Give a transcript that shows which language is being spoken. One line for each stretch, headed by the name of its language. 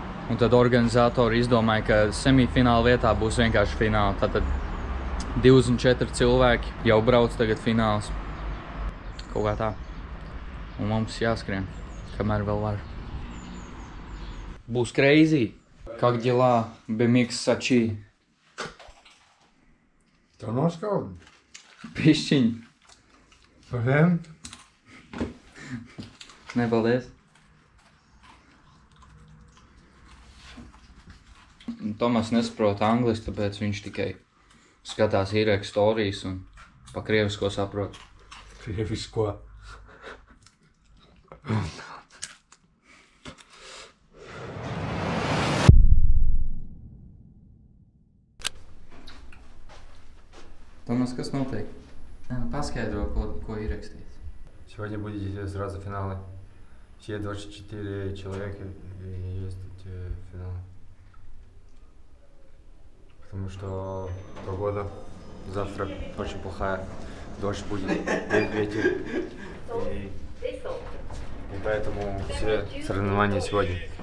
Latvian: Un tad organizatori izdomāja, ka semifināla vietā būs vienkārši fināla. Tātad 24 cilvēki jau brauc tagad fināls. Kaut kā tā. Un mums jāskrien, kamēr vēl var. Būs crazy.
Russian: Как дела, BMX Сачи?
Latvian: Tā noskaut? Pišķiņ. Paldies. Nepaldies. Tomas nesaprot angliski, tāpēc viņš tikai skatās īrēk storijas un pa krievisko saprot. Krievisko. Томас, kas notiek? Paskaidro, ko ir rakstīts.
Russian: Сегодня будет здесь сразу финалы. Все 24 человека есть в финале. Потому что погода завтра очень плохая. Дождь будет, ветер. И поэтому все соревнования сегодня.